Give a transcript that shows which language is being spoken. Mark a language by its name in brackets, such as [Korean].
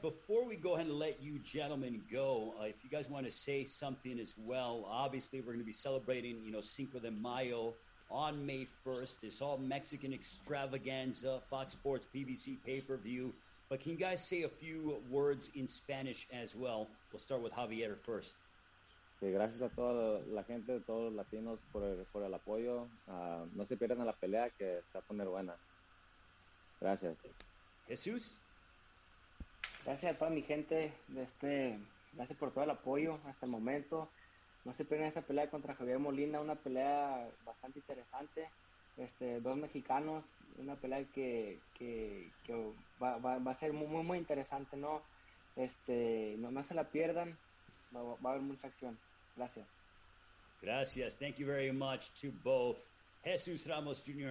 [English] Before we go ahead and let you gentlemen go, if you guys want to say something as well, obviously, we're going to be celebrating, you know, Cinco de Mayo on May 1st, this all-Mexican extravaganza, Fox Sports, PBC pay-per-view. But can you guys say a few words in Spanish as well? We'll start with Javier first. [Spanish] Okay, gracias a toda la gente, todos los latinos por el apoyo. No se pierdan la pelea, que se va a poner buena. Gracias. Jesús. Gracias a toda mi gente. Gracias por todo el apoyo hasta el momento. No se pierdan esta pelea contra Javier Molina, una pelea bastante interesante. Dos mexicanos, una pelea que va a ser muy, muy, muy interesante, ¿no? No se la pierdan, va a haber mucha acción. Gracias. Gracias. [English] Thank you very much to both Jesús Ramos Jr.